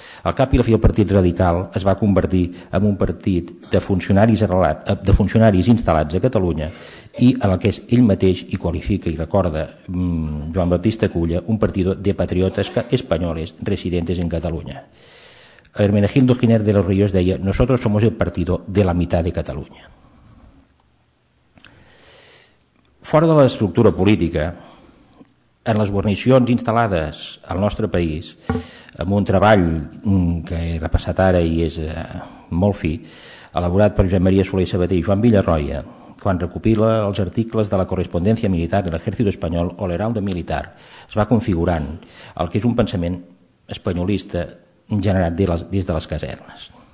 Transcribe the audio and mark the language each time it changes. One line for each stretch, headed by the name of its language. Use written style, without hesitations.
Catalan: Al cap i la fi, el Partit Radical es va convertir en un partit de funcionaris instal·lats a Catalunya i en el que és ell mateix i qualifica i recorda Joan Baptista Culla, un partit de patriotes
Spanish: espanyoles residentes en Catalunya. Hermenegildo Giner de los Ríos deia: "Nosotros somos el partido de la mitad de Catalunya".
Catalan: Fora de l'estructura política, en les guarnicions instal·lades al nostre país, amb un treball que he repassat ara i és molt fi, elaborat per Josep Maria Soler i Sabater i Joan Villarroia, quan recopila els articles de la correspondència militar de l'exèrcit espanyol o l'heraldo militar, es va configurant el que és un pensament espanyolista generat des de les casernes.